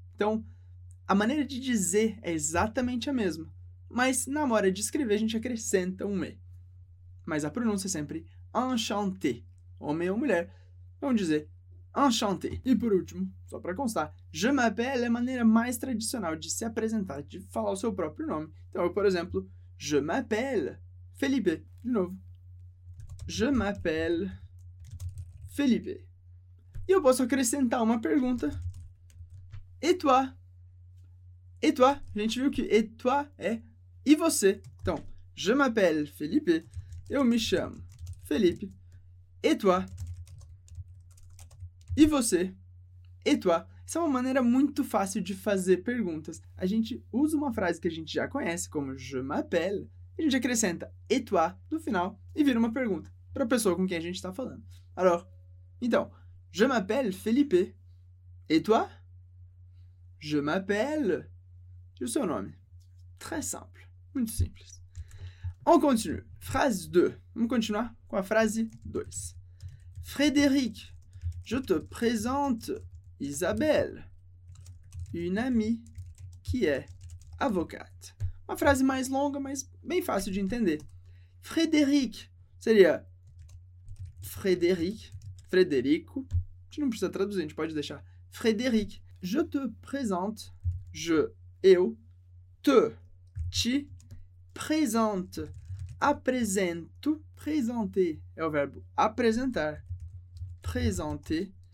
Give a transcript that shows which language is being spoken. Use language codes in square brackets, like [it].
[pt] Então, a maneira de dizer é exatamente a mesma, mas na hora de escrever a gente acrescenta um E. Mas a pronúncia é sempre enchanté, homem ou mulher, vamos dizer enchanté. E por último, só para constar, [fr] je m'appelle [pt] é a maneira mais tradicional de se apresentar, de falar o seu próprio nome. Então, eu, por exemplo, [fr] je m'appelle [pt] Felipe. De novo, [fr] je m'appelle [pt] Felipe. E eu posso acrescentar uma pergunta. [fr] Et toi? Et toi? [pt] A gente viu que [fr] et toi [pt] é e você. Então, [fr] je m'appelle [pt] Felipe, eu me chamo Felipe. [fr] Et toi? [pt] E você? [fr] Et toi? [pt] Essa é uma maneira muito fácil de fazer perguntas. A gente usa uma frase que a gente já conhece, como [fr] je m'appelle, [pt] e a gente acrescenta [fr] et toi [pt] no final e vira uma pergunta para a pessoa com quem a gente está falando. [fr] Alors, [pt] então, [fr] je m'appelle Felipe. Et toi? Je m'appelle. [pt] E o seu nome? [fr] Très simple. [pt] Muito simples. [fr] On continue. Phrase 2. [pt] Vamos continuar com a frase 2. [fr] Frédéric, je te présente Isabelle, une amie [pt] que é [fr] avocate. [pt] Uma frase mais longa, mas bem fácil de entender. Frédéric seria Frédéric, Frederico. A gente não precisa traduzir, a gente pode deixar. [fr] Frédéric, je te présente, je, [pt] eu, [fr] te, [pt] ti, [fr] présente, [pt] apresento, [fr] présenter, [pt] é o verbo apresentar, [fr] présenter,